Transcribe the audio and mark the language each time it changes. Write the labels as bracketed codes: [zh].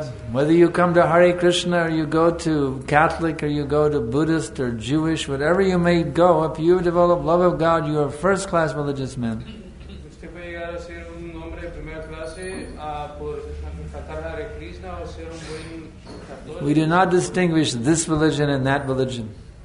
[en] Whether you come to Hare Krishna or you go to Catholic or you go to Buddhist or Jewish, whatever you may go, if you develop love of God, you are a first class religious man. [es] Usted puede llegar a ser un hombre de primera clase por cantar Hare Krishna o ser un buen [en] We do not distinguish this religion and that religion.